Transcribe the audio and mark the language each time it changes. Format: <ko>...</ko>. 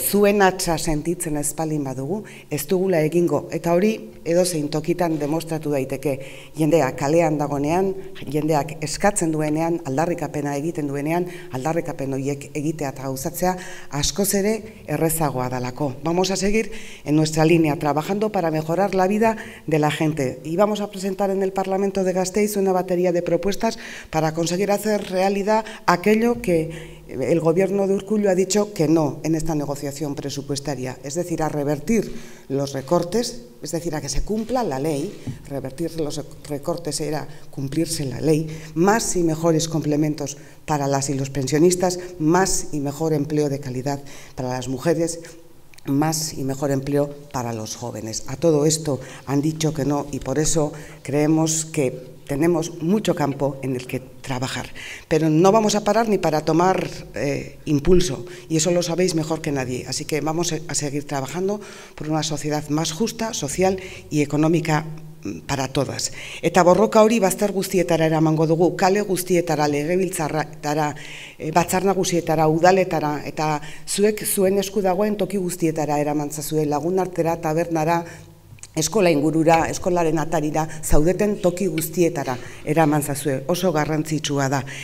<eu>Zuen atxa sentitzen espaldin badugu, ez dugula egingo. Eta hori, edozein tokitan demostratu daiteke. Jendeak kalean dagoenean, jendeak eskatzen duenean, aldarrikapena egiten duenean, aldarrikapen horiek egitea eta gauzatzea, askoz ere errezagoa dalako.</eu> <es>Vamos a seguir en nuestra línea, trabajando para mejorar la vida de la gente. Y vamos a presentar en el Parlamento de Gasteiz una batería de propuestas para conseguir hacer realidad aquello que el gobierno de Urkullu ha dicho que no en esta negociación presupuestaria, es decir, a revertir los recortes, es decir, a que se cumpla la ley. Revertir los recortes era cumplirse la ley, más y mejores complementos para las y los pensionistas, más y mejor empleo de calidad para las mujeres, más y mejor empleo para los jóvenes. A todo esto han dicho que no y por eso creemos que tenemos mucho campo en el que trabajar, pero no vamos a parar ni para tomar impulso, y eso lo sabéis mejor que nadie. Así que vamos a seguir trabajando por una sociedad más justa, social y económica para todas.</es> <eu>Eta borroka hori bazter guztietara eramango dugu, kale guztietara, legebiltzarretara, batzar nagusietara, udaletara, eta zuek zuen esku dagoen toki guztietara eramantzazue, lagunartera, tabernara, eskola ingurura, eskolaren atarira, zaudeten toki guztietara eramantzazue, oso garrantzitsua da.</eu>